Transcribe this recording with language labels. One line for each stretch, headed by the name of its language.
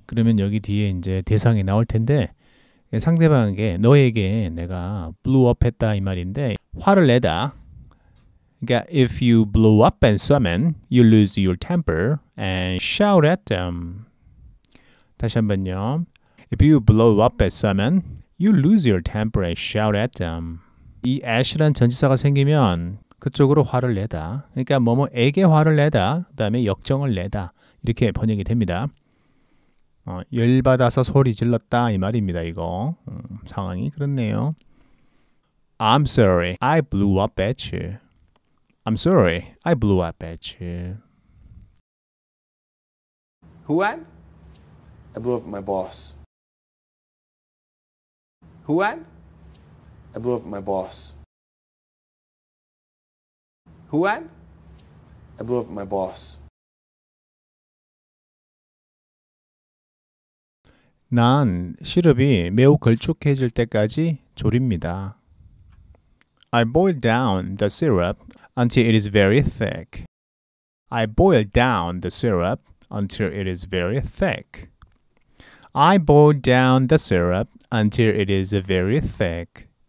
Korean: 그러면 여기 뒤에 이제 대상이 나올 텐데 상대방에게 너에게 내가 blew up 했다 이 말인데 화를 내다. 그러니까
English: if you blow up at someone, you lose your temper and shout at them.
Korean: 다시 한번요.
English: If you blow up at someone, you lose your temper and shout at them.
Korean: 이 at라는 전지사가 생기면 그쪽으로 화를 내다. 그러니까 뭐뭐에게 화를 내다. 그다음에 역정을 내다. 이렇게 번역이 됩니다. 열 받아서 소리 질렀다 이 말입니다. 이거 상황이 그렇네요.
English: I'm sorry. I blew up at you. I'm sorry. I blew up at you. Who at? I blew up at my boss. Who at? I blew up at my boss. Who at? I blew up at my boss.
Korean: 난 시럽이 매우 걸쭉해질 때까지 졸입니다.
English: I boil down the syrup until it is very thick. I boil down the syrup until it is very thick. I boil down the syrup until it is very thick.